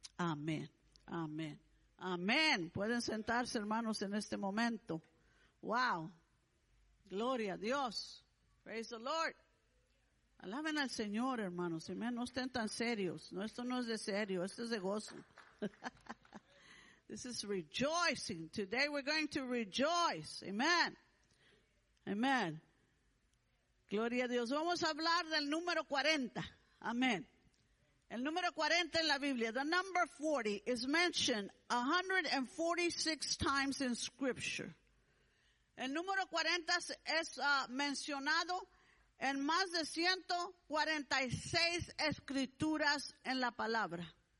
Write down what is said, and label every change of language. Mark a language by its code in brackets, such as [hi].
[es] Amén. Amén. Amén. Pueden sentarse, hermanos, en este momento. Wow, gloria a Dios, [en] praise the Lord. [es] Alaben al Señor, hermanos, amen. No estén tan serios, no, esto no es de serio, esto es de gozo. [en] This is rejoicing, today we're going to rejoice, amen, amen. [es] Gloria a Dios, vamos a hablar del número 40, amen. El número 40 en la Biblia, [en] the number 40 is mentioned 146 times in Scripture. [es] El número 40 es mencionado en más de 146 escrituras en la palabra.